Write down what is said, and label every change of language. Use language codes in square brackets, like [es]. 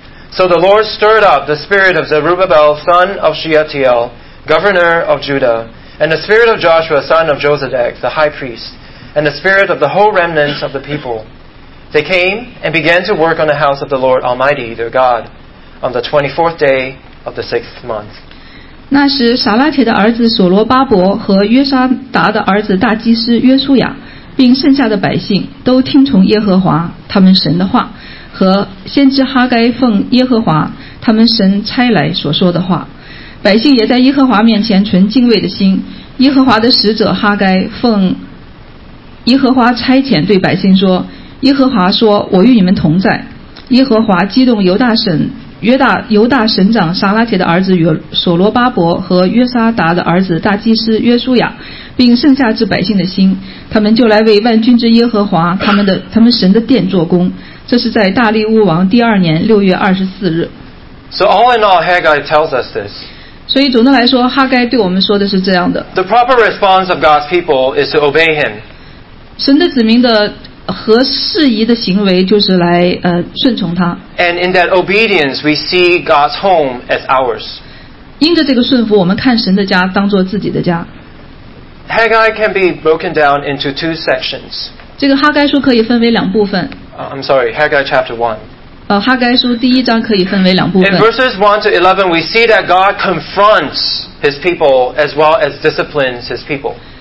[en] So the Lord stirred up the spirit of Zerubbabel, son of Shealtiel, governor of Judah, and the spirit of Joshua, son of Jozadak, the high priest,and the spirit of the whole remnant of the people. They came and began to work on the house of the Lord Almighty, their God, on the 24th day of the sixth month. [zh] 那时撒拉铁的儿子所罗巴伯和约沙达的儿子大祭司约书亚并剩下的百姓都听从耶和华他们神的话和先知哈该奉耶和华他们神差来所说的话。百姓也在耶和华面前存敬畏的心。耶和华的使者哈该奉耶和华差遣对百姓说，耶和华说，我与你们同在。耶和华激动犹大省长撒拉铁的儿子所罗巴伯和约沙达的儿子大祭司约书亚并剩下之百姓的心，他们就来为万军之耶和华他们神的殿做工。这是在大利乌王第二年六月二十四日。 [en] So all in all, Haggai tells us this. [zh] 所以总的来说，哈该对我们说的是这样的。 [en] The proper response of God's people is to obey Him. [zh] 神的子民的和适宜的行为就是来顺从他。 [en] And in that obedience, we see God's home as ours. [zh] 因着这个顺服，我们看神的家当作自己的家。 [en] Haggai can be broken down into two sections. [zh] 这个哈该书可以分为两部分。 [en] I'm sorry, Haggai chapter 1. [zh] 哈该书第一章可以分为两部分。 [en] In verses 1 to 11, we see that God confronts His people as well as disciplines His people.